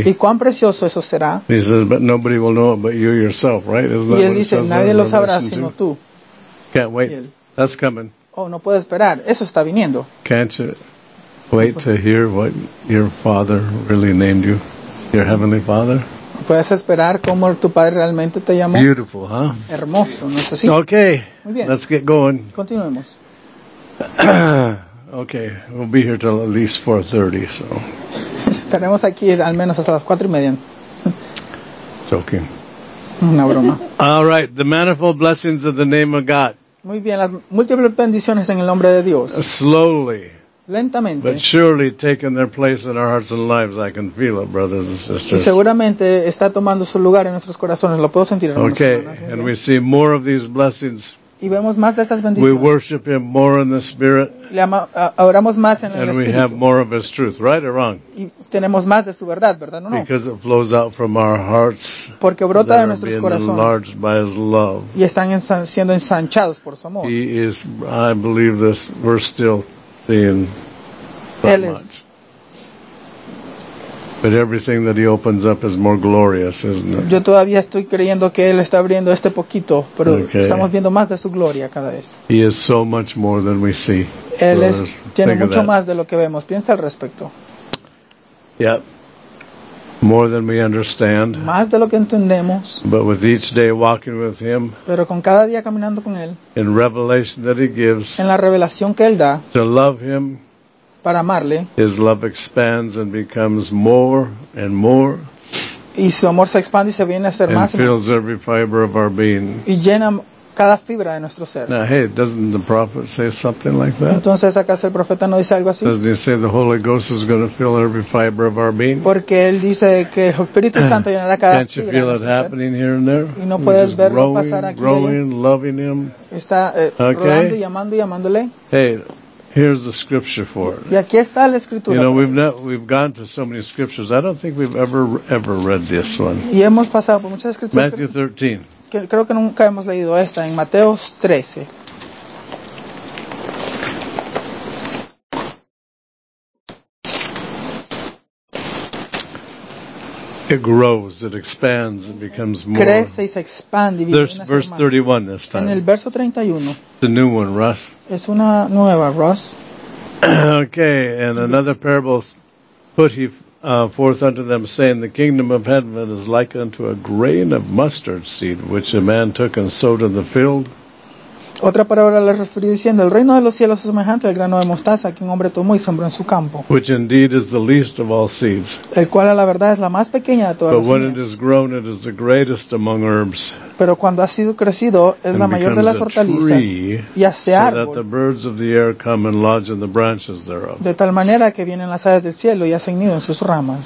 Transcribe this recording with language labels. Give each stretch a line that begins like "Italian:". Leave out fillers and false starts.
Spanish: Y cuán precioso eso será.
English: He says, but nobody will know it but you yourself, right? Isn't
Spanish: y
English: that
Spanish: él dice, nadie lo sabrá sino tú.
English: Can't wait. That's coming.
Spanish: Oh, no puedo esperar. Eso está viniendo.
English: Can't you wait to hear what your Father really named you, your Heavenly Father?
Spanish: Puedes esperar cómo tu padre realmente te llamó.
English: Beautiful, huh?
Spanish: Hermoso, ¿no es así?
English: Okay.
Spanish: Muy bien.
English: Let's get going.
Spanish: Continuemos.
English: Okay, we'll be here till at least 4:30, so.
Spanish: Estaremos aquí al menos hasta las 4:30.
English: Joking.
Spanish: Una broma.
English: All right, the manifold blessings of the name of God.
Spanish: Muy bien, las múltiples bendiciones en el nombre de Dios.
English: Slowly.
Spanish: Lentamente.
English: But surely taking their place in our hearts and lives, I can feel it, brothers and sisters.
Spanish: Y seguramente está tomando su lugar en nuestros corazones. Lo puedo sentir.
English: Okay, and we see more of these blessings.
Spanish: Y vemos más de estas bendiciones.
English: We worship Him more in the Spirit.
Spanish: Le oramos más en el
English: and
Spanish: Espíritu.
English: And we have more of His truth, right or wrong?
Spanish: Y tenemos más de su verdad, ¿verdad? No.
English: Because it flows out from our hearts.
Spanish: Porque brota de nuestros corazones.
English: That are being enlarged by His love.
Spanish: Y están siendo ensanchados por su amor.
English: He is, I believe this, we're still seeing that much. But everything that He opens up is more glorious, isn't it?
Spanish: Yo todavía estoy creyendo que Él está abriendo este poquito, pero okay. Estamos viendo más de su gloria cada vez.
English: He is so much more than we see.
Spanish: Él es, tiene mucho más de lo que vemos. Piensa al respecto.
English: Yep. More than we understand.
Spanish: Más de lo que entendemos.
English: But with each day walking with Him.
Spanish: Pero con cada día caminando con Él.
English: In revelation that He gives.
Spanish: En la revelación que Él da.
English: To love Him.
Spanish: para amarle.
English: His love expands and becomes more and more.
Spanish: Y su amor se expande y se viene a ser más.
English: And fills every fiber of our being.
Spanish: Y llena cada fibra de nuestro ser.
English: Now, hey, doesn't the prophet say something like that?
Spanish: Entonces, ¿acaso el profeta no dice algo así?
English: Doesn't he say the Holy Ghost is going to fill every fiber of our being?
Spanish: Porque él dice que el Espíritu Santo llenará cada fibra.
English: Can't you feel it happening here and there?
Spanish: Y no puedes verlo
English: growing,
Spanish: pasar aquí.
English: Growing, loving him.
Spanish: Está okay. Rodando, llamando y llamándole.
English: Hey. Here's the scripture for it.
Spanish: Y aquí está la escritura.
English: You know, we've gone to so many scriptures. I don't think we've ever read this one.
Spanish: Y hemos pasado por muchas escrituras.
English: Matthew 13.
Spanish: Creo que nunca hemos leído esta en Mateo 13.
English: It grows, it expands, it becomes more.
Spanish: Crece y se expande.
English: There's verse 31 this time.
Spanish: En el verso 31.
English: It's a new one, Russ.
Spanish: Es una nueva, Russ.
English: Okay, and another parable put he forth unto them, saying, the kingdom of heaven is like unto a grain of mustard seed, which a man took and sowed in the field.
Spanish: Otra parábola le referí diciendo, el reino de los cielos es semejante al grano de mostaza que un hombre tomó y sembró en su campo.
English: Which indeed is the least of all seeds.
Spanish: El cual a la verdad es la más pequeña de todas las semillas.
English: But when it is grown, it is the greatest among herbs.
Spanish: Pero cuando ha sido crecido, es
English: and
Spanish: la mayor de las hortalizas.
English: Tree,
Spanish: y hace
English: so
Spanish: árbol.
English: That the birds of the air come and lodge in the branches thereof.
Spanish: De tal manera que vienen las aves del cielo y hacen nido en sus ramas.